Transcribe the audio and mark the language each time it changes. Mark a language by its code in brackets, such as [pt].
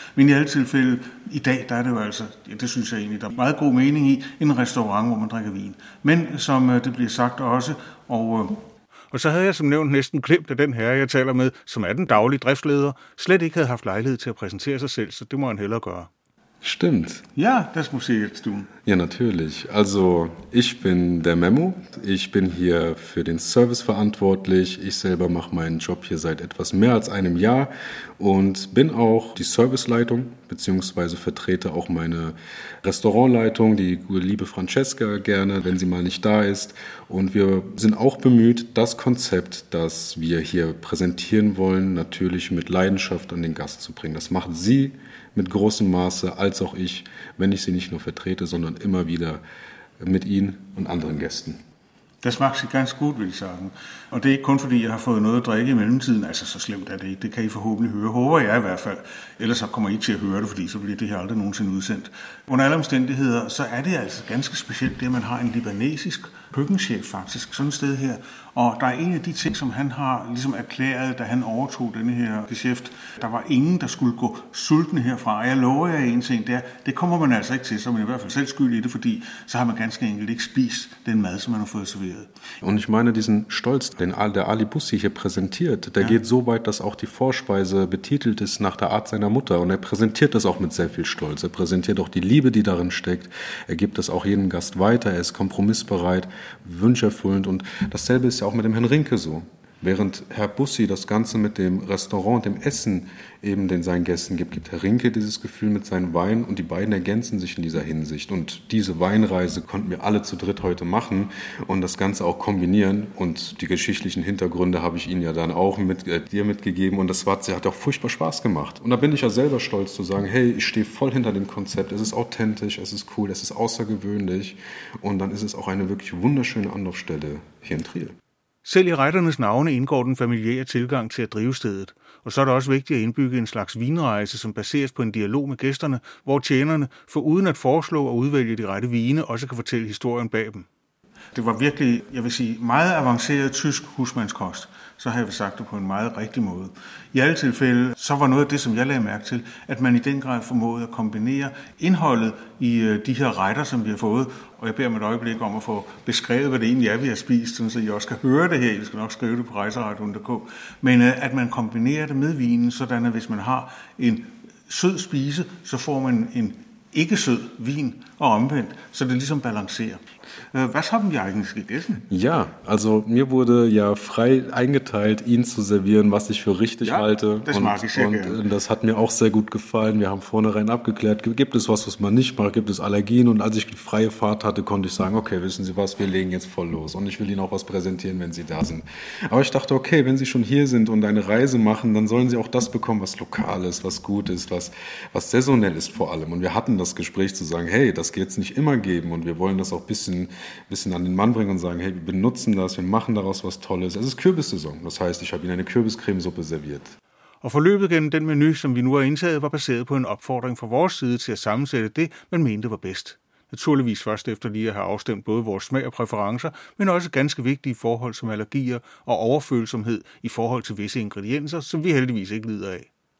[da] Men i alle tilfælde, i dag, der er det jo altså, ja, det synes jeg egentlig, der er meget god mening i, en restaurant, hvor man drikker vin. Men som det bliver sagt også, Og så havde jeg som nævnt næsten glemt, at den herre, jeg taler med, som er den daglige driftsleder, slet ikke havde haft lejlighed til at præsentere sig selv, så det må han hellere gøre. [de] Stimmt. Ja, das muss ich jetzt tun. Ja, natürlich. Also, ich bin der Memo. Ich bin hier für den Service verantwortlich. Ich selber mache meinen Job hier seit etwas mehr als einem Jahr und bin auch die Serviceleitung, beziehungsweise vertrete auch meine Restaurantleitung, die liebe Francesca, gerne, wenn sie mal nicht da ist. Und wir sind auch bemüht, das Konzept, das wir hier präsentieren wollen, natürlich mit Leidenschaft an den Gast zu bringen. Das macht sie mit großem Maße, als auch ich, wenn ich sie nicht nur vertrete, sondern immer wieder mit Ihnen und anderen Gästen. Das macht sie ganz gut, würde ich sagen. [da] Und det er ikke kun fordi, jeg har fået noget at drikke i mellemtiden. Altså, så slemt er det ikke. Det kan I forhåbentlig høre. Håber jeg i hvert fald. Ellers så kommer I til at høre det, fordi så bliver det her aldrig nogensinde udsendt. Under alle omstændigheder, så er det altså ganske specielt, det at man har en libanesisk køkkenchef faktisk, sådan et sted her. Og der er en af de ting, som han har ligesom erklæret, da han overtog denne her geschæft. Der var ingen, der skulle gå sultne herfra. Jeg lover jer en ting, det kommer man altså ikke til, så man i hvert fald selv skyld i det, fordi så har man ganske enkelt ikke spist den mad, som man har fået serveret. [de] Und ich meine diesen Stolz, den der Ali Bussi hier präsentiert, der geht so weit, dass auch die Vorspeise betitelt ist nach der Art seiner Mutter. Und er präsentiert das auch mit sehr viel Stolz. Er präsentiert auch die Liebe, die darin steckt. Er gibt das auch jedem Gast weiter. Er ist kompromissbereit, wünscherfüllend. Und dasselbe ist ja auch mit dem Herrn Rinke so. Während Herr Bussi das Ganze mit dem Restaurant, dem Essen eben den seinen Gästen gibt, gibt Herr Rinke dieses Gefühl mit seinen Weinen und die beiden ergänzen sich in dieser Hinsicht. Und diese Weinreise konnten wir alle zu dritt heute machen und das Ganze auch kombinieren. Und die geschichtlichen Hintergründe habe ich Ihnen ja dann auch mit dir mitgegeben und das hat auch furchtbar Spaß gemacht. Und da bin ich ja selber stolz zu sagen, hey, ich stehe voll hinter dem Konzept. Es ist authentisch, es ist cool, es ist außergewöhnlich und dann ist es auch eine wirklich wunderschöne Anlaufstelle hier in Trier. [da] Selv i retternes navne indgår den familiære tilgang til at drive stedet, og så er det også vigtigt at indbygge en slags vinrejse, som baseres på en dialog med gæsterne, hvor tjenerne, for uden at foreslå og udvælge de rette vine, også kan fortælle historien bag dem. Det var virkelig, jeg vil sige, meget avanceret tysk husmandskost, så har jeg vel sagt det på en meget rigtig måde. I alle tilfælde, så var noget af det, som jeg lagde mærke til, at man i den grad formåede at kombinere indholdet i de her retter, som vi har fået, og jeg beder om et øjeblik om at få beskrevet, hvad det egentlig er, vi har spist, så I også kan høre det her, I skal nok skrive det på rejseret.dk, men at man kombinerer det med vinen, sådan at hvis man har en sød spise, så får man en ikke sød vin og omvendt, så det ligesom balancerer. [de] Was haben wir eigentlich gegessen? Ja, also mir wurde ja frei eingeteilt, ihn zu servieren, was ich für richtig halte. Das und, mag ich sehr und gerne. Das hat mir auch sehr gut gefallen. Wir haben vornherein abgeklärt, gibt es was, was man nicht mag, gibt es Allergien? Und als ich die freie Fahrt hatte, konnte ich sagen, okay, wissen Sie was, wir legen jetzt voll los. Und ich will Ihnen auch was präsentieren, wenn Sie da sind. Aber ich dachte, okay, wenn Sie schon hier sind und eine Reise machen, dann sollen Sie auch das bekommen, was lokal ist, was gut ist, was saisonell ist vor allem. Und wir hatten das Gespräch zu sagen, hey, das geht es nicht immer geben und wir wollen das auch ein bisschen an den Mann bringen und sagen, hey, wir benutzen das, wir machen daraus was Tolles. Es ist Kürbissaison, das heißt, ich habe Ihnen eine Kürbiscremesuppe serviert. [da] Og forløbet gennem den menu, som vi nu har indtaget, var baseret på en opfordring fra vores side til at sammensætte det, man mente var bedst. Naturligvis først efter lige at have afstemt både vores smag og præferencer, men også ganske vigtige forhold som allergier og overfølsomhed i forhold til visse ingredienser, som vi heldigvis ikke lider af.